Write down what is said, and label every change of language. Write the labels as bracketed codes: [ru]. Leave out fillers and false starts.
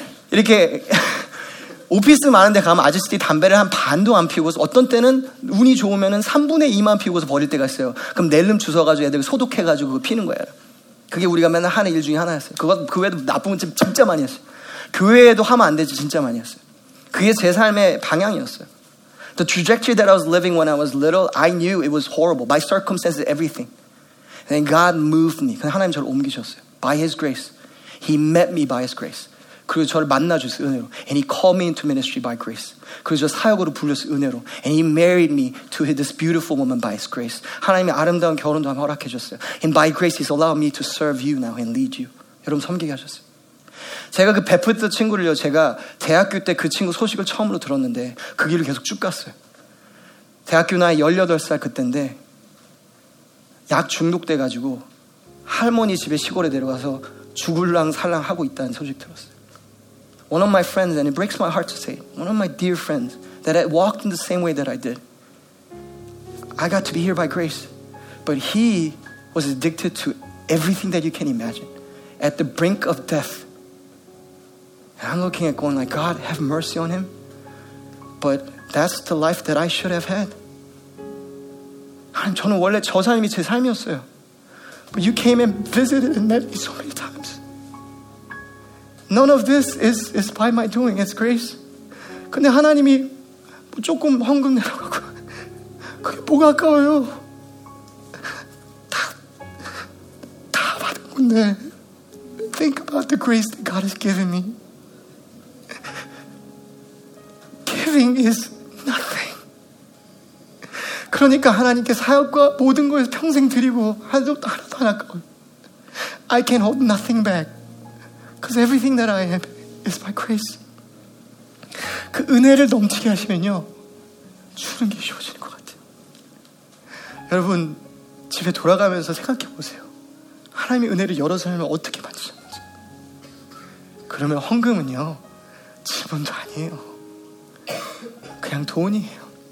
[ko] 이렇게 오피스 많은 데 가면 아저씨들이 담배를 한 반도 안 피우고서 어떤 때는 운이 좋으면 3분의 2만 피우고서 버릴 때가 있어요. 그럼 낼름 주워가지고 애들 소독해가지고 그거 피는 거예요. 그게 우리가 맨날 하는 일 중에 하나였어요. 그거 그 외에도 나쁜 건 진짜 많이 했어요. 교회에도 하면 안 되지 진짜 많이 했어요. 그게 제 삶의 방향이었어요. [en] The trajectory that I was living when I was little, I knew it was horrible. My circumstances, everything. And then God moved me. [ko] 그냥 하나님 저를 옮기셨어요. [en] By His grace. He met me by His grace. [ko] 그리고 저를 만나주셨어요. 은혜로. [en] And He called me into ministry by grace. [ko] 그리고 저 사역으로 불렸어요. 은혜로. [en] And He married me to this beautiful woman by His grace. [ko] 하나님이 아름다운 결혼도 한번 허락해줬어요. [en] And by grace, He's allowed me to serve you now and lead you. [ko] 여러분 섬기게 하셨어요. 제가 그 베프트 친구를요, 제가 대학교 때 그 친구 소식을 처음으로 들었는데 그 길을 계속 쭉 갔어요. 대학교 나이 18살 그때인데 약 중독돼가지고 할머니 집에 시골에 내려가서 죽을랑 살랑 하고 있다는 소식 들었어요. [en] One of my friends, and it breaks my heart to say, one of my dear friends that I walked in the same way that I did. I got to be here by grace, but he was addicted to everything that you can imagine. At the brink of death, I'm looking at going like, God, have mercy on him. But that's the life that I should have had. [ko] 하나님, 저는 원래 저 삶이 제 삶이었어요. [en] But you came and visited and met me so many times. None of this is by my doing. It's grace. [ko] 근데 하나님이 조금 헌금 내라고 그게 뭐가 아까워요? 다 받은 건데. [en] Think about the grace that God has given me. Giving is nothing. [ko] 그러니까 하나님께 사역과 모든 것을 평생 드리고 한 적도 하나도 안 아까워요. [en] I can hold nothing back. Because everything that I am is by grace. [ko] 그 은혜를 넘치게 하시면요. 주는 게 쉬워지는 것 같아요. 여러분, 집에 돌아가면서 생각해 보세요. 하나님의 은혜를 여러 삶을 어떻게 만드셨는지. 그러면 헌금은요. 질문도 아니에요. 그냥 돈이에요.